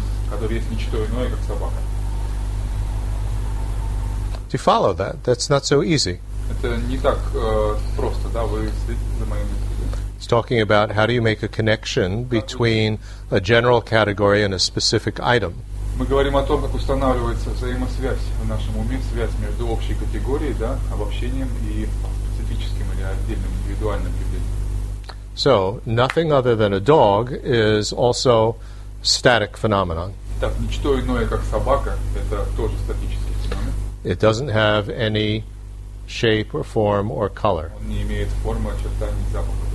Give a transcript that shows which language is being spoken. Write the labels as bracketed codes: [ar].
[ru] Который есть ничто иное, как собака. [en] To follow that, that's not so easy. [ru] Это не так просто, да, вы следите за моим. [en] It's talking about how do you make a connection between a general category and a specific item. [ru] Мы говорим о том, как устанавливается взаимосвязь в нашем уме, связь между общей категорией, да, обобщением и специфическим или отдельным индивидуальным явлением. [en] So, nothing other than a dog is also static phenomenon. [ru] Так, ничто иное, как собака, это тоже статический феномен. [en] It doesn't have any shape or form or color. [ru] Он не имеет формы, очертаний, запаха.